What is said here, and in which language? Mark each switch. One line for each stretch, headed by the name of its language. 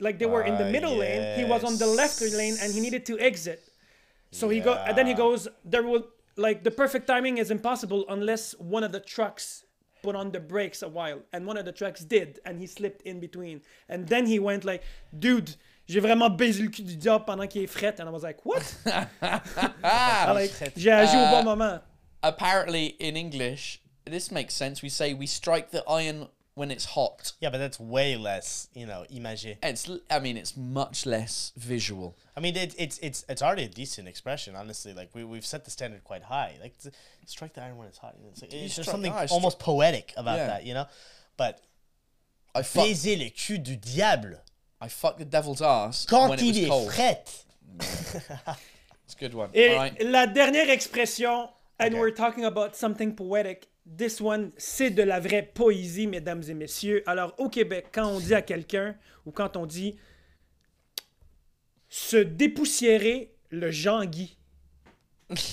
English: Like they were in the middle lane, he was on the left lane and he needed to exit. So he goes, there will like the perfect timing is impossible unless one of the trucks put on the brakes a while and one of the trucks did and he slipped in between and then he went like dude
French: J'ai vraiment baisé le cul du diable pendant qu'il est fret.
English: And I was like, what?
French: J'ai agi au bon moment.
English: Apparently, in English, this makes sense. We say we strike the iron when it's hot. Yeah, but that's way less, you know, imagé. It's, I mean, it's much less visual. I mean, it's already a decent expression, honestly. Like, we've set the standard quite high. Like, strike the iron when it's hot. It's like, it's just something almost poetic about that, you know? But,
French: baiser le cul du diable.
English: I fuck the devil's ass
French: quand
English: when it's cold. It's a good one.
French: Et
English: all right.
French: La dernière expression,
English: and we're talking about something poetic. This one,
French: c'est de la vraie poésie, mesdames et messieurs. Alors, au Québec, quand on dit à quelqu'un, ou quand on dit « se dépoussiérer le Jean-Guy ».